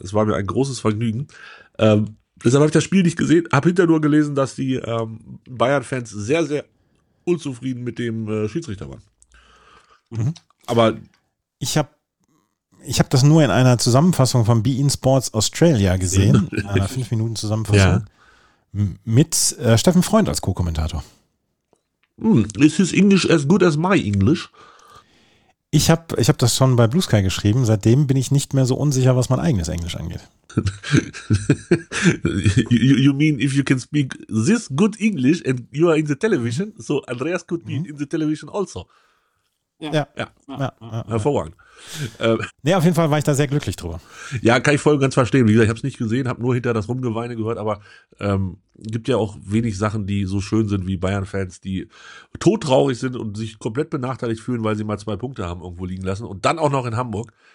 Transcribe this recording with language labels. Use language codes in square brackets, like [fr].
[de] Es war mir ein großes Vergnügen. Deshalb habe ich das Spiel nicht gesehen, habe hinterher nur gelesen, dass die Bayern-Fans sehr, sehr unzufrieden mit dem Schiedsrichter waren. Aber ich hab das nur in einer Zusammenfassung von beIN Sports Australia gesehen, in einer 5-Minuten Zusammenfassung. Ja. Mit Steffen Freund als Co-Kommentator. [en] Is his English as good as my English? [de] Ich hab das schon bei Blue Sky geschrieben. Seitdem bin ich nicht mehr so unsicher, was mein eigenes Englisch angeht. [en] you mean if you can speak this good English and you are in the television, so Andreas could be in the television also. [de] Ja. Hervorragend. Nee, auf jeden Fall war ich da sehr glücklich drüber. Ja, kann ich voll ganz verstehen. Wie gesagt, ich habe es nicht gesehen, habe nur hinter das Rumgeweine gehört, aber gibt ja auch wenig Sachen, die so schön sind wie Bayern-Fans, die todtraurig sind und sich komplett benachteiligt fühlen, weil sie mal 2 Punkte haben irgendwo liegen lassen und dann auch noch in Hamburg.